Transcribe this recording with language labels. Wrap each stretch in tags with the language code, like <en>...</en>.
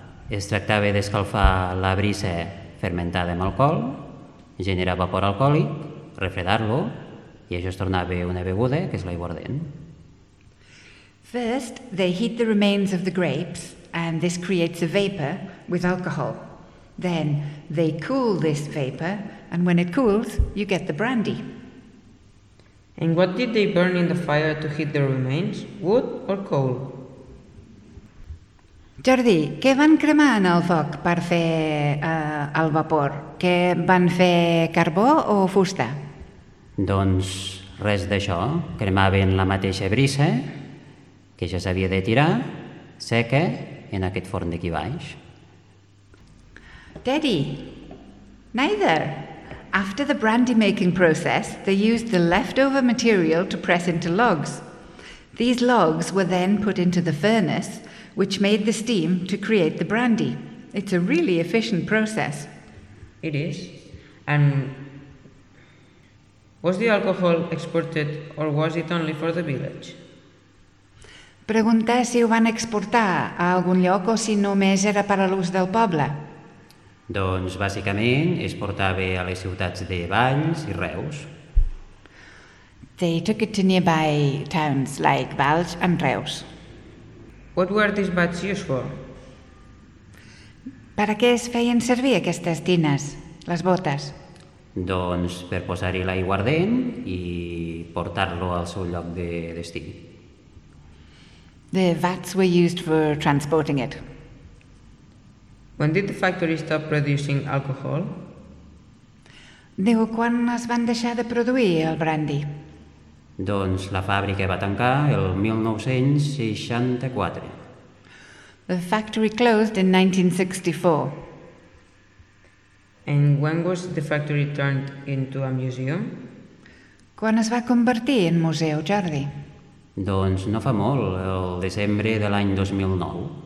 <ca>Es tractava d'escalfar la brisa fermentada amb alcohol, generar vapor alcohòlic, refredar-lo, i això es tornava una beguda, que és l'aiguardent.</ca> <en>First, they heat the remains of the grapes, and this creates a vapor with alcohol. Then, they cool this vapor, and when it cools, you get the brandy. And what did they burn in the fire to heat the remains? Wood or coal?</en> <ca>Jordi, què van cremar en el foc per fer el vapor? Què van fer, carbó o fusta? Doncs res d'això. Cremaven la mateixa brisa, que ja s'havia de tirar, seca, en aquest forn d'aquí baix.</ca> <en>Daddy, neither. After the brandy making process, they used the leftover material to press into logs. These logs were then put into the furnace, which made the steam to create the brandy. It's a really efficient process. It is. And was the alcohol exported or was it only for the village?</en> <ca>Pregunta si ho van exportar a algun lloc o si només era per a l'ús del poble. Doncs bàsicament es portava a les ciutats de Valls i Reus.</ca> <en>They took it to nearby towns like Valls and Reus. What were these vats used for?</en> <ca>Per a què es feien servir aquestes tines, les botes? Doncs per posar-hi l'aiguardent i portar-lo al seu lloc de destí.</ca> <en>The vats were used for transporting it. When did the factory stop producing alcohol?</en> <ca>Diu, quan es van deixar de produir el brandy? Doncs la fàbrica va tancar el 1964.</ca> <en>The factory closed in 1964. And when was the factory turned into a museum?</en> <ca>Quan es va convertir en museu, Jordi? Doncs no fa molt, el desembre de l'any 2009.</ca>